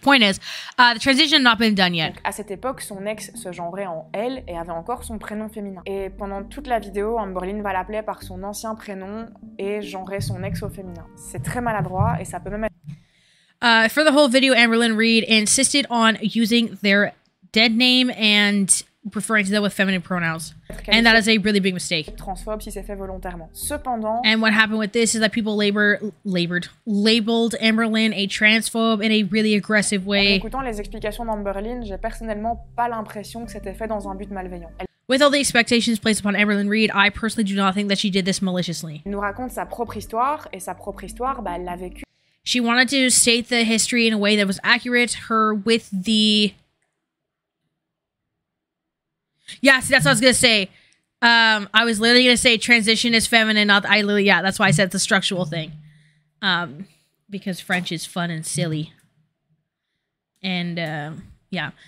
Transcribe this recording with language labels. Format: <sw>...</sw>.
<en>Point is, the transition had not been done yet.</en> <fr>Donc, à cette époque, son ex se genrait en elle et avait encore son prénom féminin. Et pendant toute la vidéo, Amberlynn va l'appeler par son ancien prénom et genrait son ex au féminin. C'est très maladroit et ça peut même être...</fr> <en>For the whole video, Amberlynn Reid insisted on using their dead name and referring to them with feminine pronouns. And that is a really big mistake.</en> <fr>Transphobe si c'est fait volontairement. Cependant,</fr> <en>and what happened with this is that people labeled Amberlynn a transphobe in a really aggressive way.</en> <fr>En écoutant les explications d'Amberlynn, j'ai personnellement pas l'impression que c'était fait dans un but malveillant.</fr> <en>With all the expectations placed upon Amberlynn Reid, I personally do not think that she did this maliciously.</en> <fr>Elle nous raconte sa propre histoire et sa propre histoire, bah, elle l'a vécu.</fr> <en>She wanted to state the history in a way that was accurate. Her with the... Yeah, see, that's what I was going to say. I was literally going to say transition is feminine, not... I literally, yeah, that's why I said it's a structural thing. Because French is fun and silly. And, yeah.</en>